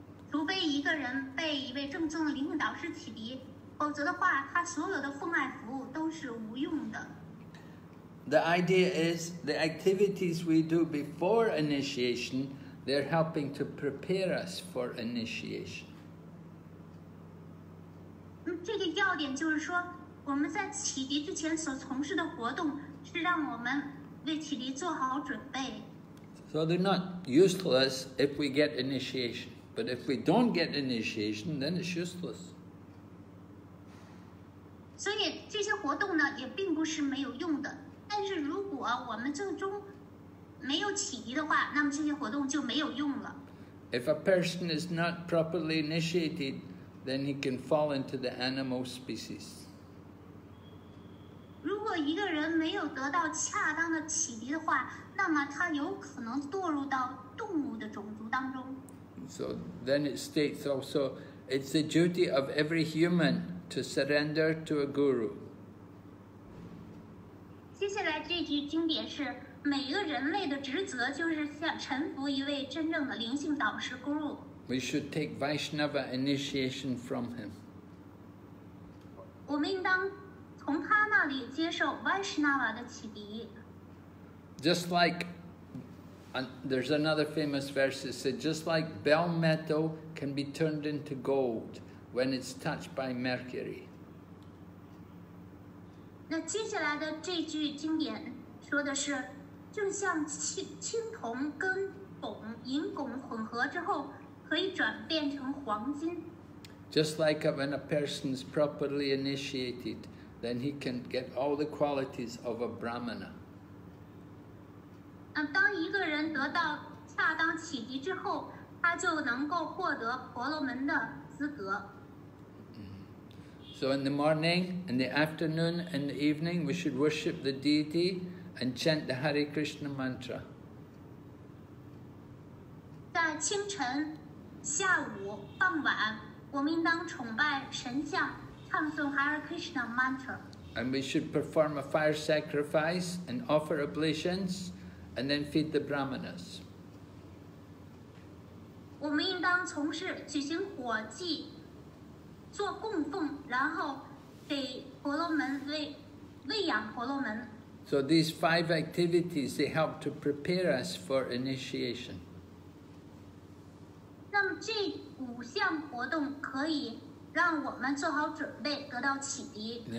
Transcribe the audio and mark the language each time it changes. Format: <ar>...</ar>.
<zh>除非一个人被一位正宗的灵魂导师启迪，否则的话，他所有的奉爱服务都是无用的。</zh> <en>The idea is the activities we do before initiation, they're helping to prepare us for initiation.</en> <zh>这个要点就是说，我们在启迪之前所从事的活动是让我们为启迪做好准备。</zh> <en>So they're not useless if we get initiation. But if we don't get initiation, then it's useless.</en> <zh>所以这些活动呢也并不是没有用的。但是如果我们最终没有启迪的话，那么这些活动就没有用了。</zh> <en>If a person is not properly initiated, then he can fall into the animal species.</en> <zh>如果一个人没有得到恰当的启迪的话，那么他有可能堕入到动物的种族当中。</zh> <en>So then it states also, it's the duty of every human to surrender to a guru.</en> <zh>接下来这句经典是每一个人类的职责就是向臣服一位真正的灵性导师 guru。</zh> <en>We should take Vaishnava initiation from him.</en> <zh>我们应当从他那里接受 Vaishnava 的启迪。</zh> <en>Just like, there's another famous verse that said, just like bell metal can be turned into gold when it's touched by mercury.</en> <zh>那接下来的这句经典说的是，就像青铜跟汞、银汞混合之后，可以转变成黄金。</zh> <en>Just like when a person is properly initiated, then he can get all the qualities of a brahmana.</en> <zh>当一个人得到恰当启迪之后，他就能够获得婆罗门的资格。</zh> <en>So in the morning, in the afternoon, in the evening, we should worship the deity and chant the Hare Krishna mantra.</en> <zh>在清晨、下午、傍晚，我们应当崇拜神像，唱诵 Hare Krishna mantra.</zh> <en>And we should perform a fire sacrifice and offer oblations, and then feed the brahmanas.</en> <zh>我们应当从事举行火祭。做供奉，然后给婆罗门喂养婆罗门。</zh> <en>So these five activities they help to prepare us for initiation.</en> <zh>那么这五项活动可以让我们做好准备，得到启迪。</zh>